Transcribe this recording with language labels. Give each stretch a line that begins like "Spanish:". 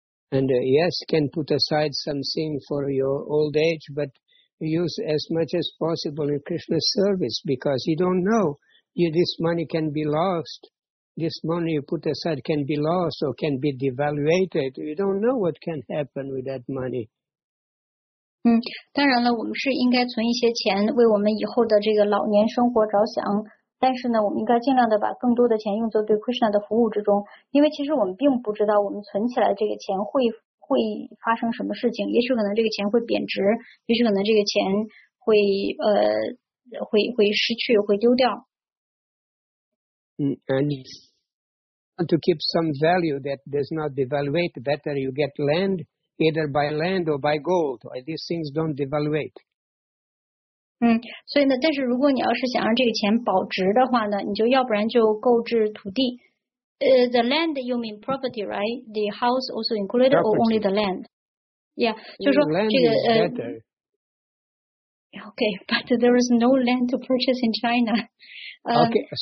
English: And yes, can put aside something for your old age, but use as much as possible in Krishna's service because you don't know. This money can be lost. This money you put aside can be lost or can be devaluated. You don't know what can happen with that money.
Chinese: 当然了，我们是应该存一些钱为我们以后的这个老年生活着想。但是呢，我们应该尽量的把更多的钱用作对 Krishna 的服务之中，因为其实我们并不知道我们存起来这个钱会发生什么事情，也许可能这个钱会贬值，也许可能这个钱会失去，会丢掉。
English: And want to keep some value that does not devaluate, better you get land, either by land or by gold. These things don't devaluate.
Chinese: 所以呢，但是如果你要是想让这个钱保值的话呢，你就要不然就购置土地。
English: The land you mean property, right? The house also included、 property. or only the land? Yeah,
Chinese: 就说这个
English: Okay, but there is no land to purchase in China.